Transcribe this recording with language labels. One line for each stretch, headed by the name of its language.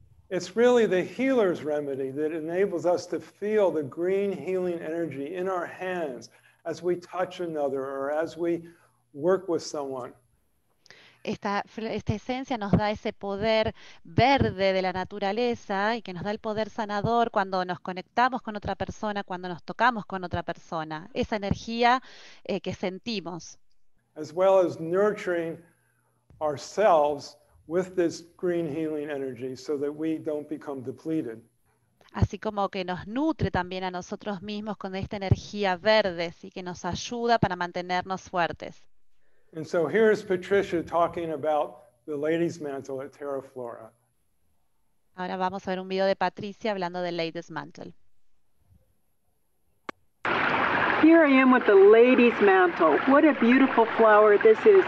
English: It's really the healer's remedy that enables us to feel the green healing energy in our hands as we touch another or as we work with someone.
Spanish: Esta esencia nos da ese poder verde de la naturaleza y que nos da el poder sanador cuando nos conectamos con otra persona, cuando nos tocamos con otra persona, esa energía que sentimos.
English: As well as nurturing ourselves with this green healing energy so that we don't become depleted.
Spanish: Así como que nos nutre también a nosotros mismos con esta energía verde, así que nos ayuda para mantenernos fuertes.
English: And so here is Patricia talking about the Lady's Mantle at Terra Flora.
Spanish: Ahora vamos a ver un video de Patricia hablando del Lady's Mantle.
English: Here I am with the Lady's Mantle. What a beautiful flower this is.